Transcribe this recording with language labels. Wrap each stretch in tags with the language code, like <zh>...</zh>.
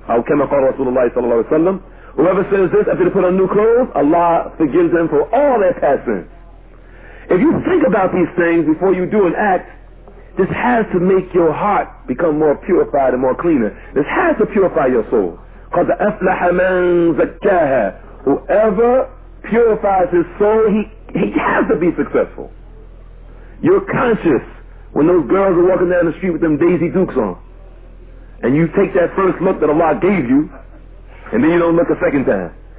<ar>Aw kama qala Rasulullah sallallahu alayhi wa sallam.</ar> <en>Whoever says this after they put on new clothes, Allah forgives them for all their past sins. If you think about these things before you do an act, this has to make your heart become more purified and more cleaner. This has to purify your soul. Because</en> <ar>أَفْلَحَ مَنْ زَكَّاهَا.</ar> <en>Whoever purifies his soul, he has to be successful. You're conscious when those girls are walking down the street with them Daisy Dukes on. And you take that first look that Allah gave you, and then you don't look a second time.</en>